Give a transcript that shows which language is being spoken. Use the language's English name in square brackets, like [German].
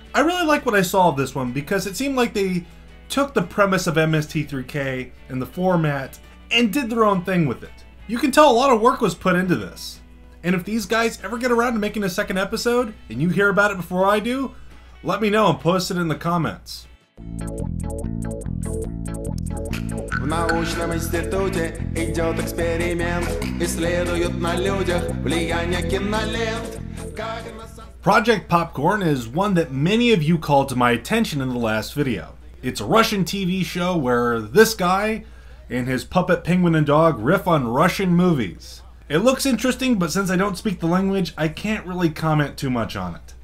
[English] I really like what I saw of this one because it seemed like they took the premise of MST3K and the format and did their own thing with it. You can tell a lot of work was put into this. And if these guys ever get around to making a second episode and you hear about it before I do, let me know and post it in the comments. [Russian] В научном институте идет эксперимент. Исследуют на людях влияние кинолент. [English] Project Popcorn is one that many of you called to my attention in the last video. It's a Russian TV show where this guy and his puppet penguin and dog riff on Russian movies. It looks interesting, but since I don't speak the language, I can't really comment too much on it.